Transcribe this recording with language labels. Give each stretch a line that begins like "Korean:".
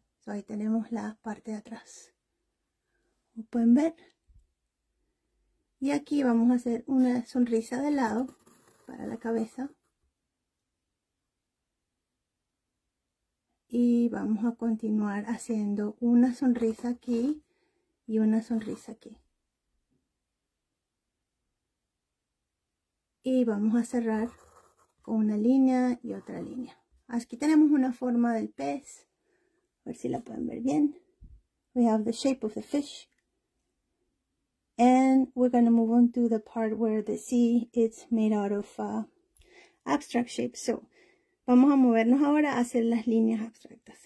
Spanish: So ahí tenemos la parte de atrás. Pueden ver, y aquí vamos a hacer una sonrisa de lado para la cabeza y vamos a continuar haciendo una sonrisa aquí y una sonrisa aquí y vamos a cerrar con una línea y otra línea. Aquí tenemos una forma del pez, a ver si la pueden ver bien.
English: We have the shape of the fish. And we're going to move on to the part where the sea is made out of abstract shapes.
Spanish: So, vamos a movernos ahora a hacer las líneas abstractas.